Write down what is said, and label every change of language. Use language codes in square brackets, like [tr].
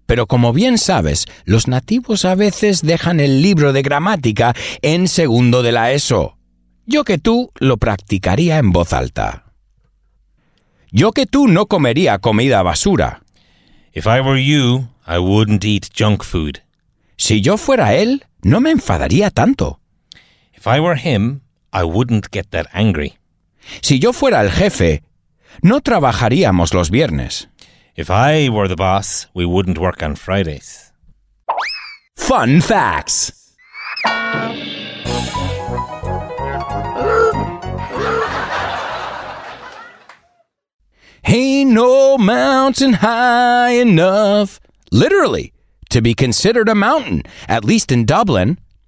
[es] Pero como bien sabes, los nativos a veces dejan el libro de gramática en segundo de la ESO. Yo que tú lo practicaría en voz alta. Yo que tú no comería comida basura. [en] If I were you, I wouldn't eat junk food. [es] Si yo fuera él, no me enfadaría tanto. [en] If I were him, I wouldn't get that angry. [es] Si yo fuera el jefe, no trabajaríamos los viernes. [en] If I were the boss, we wouldn't work on Fridays. Fun facts. Ain't no mountain high enough, literally, to be considered a mountain, at least in Dublin.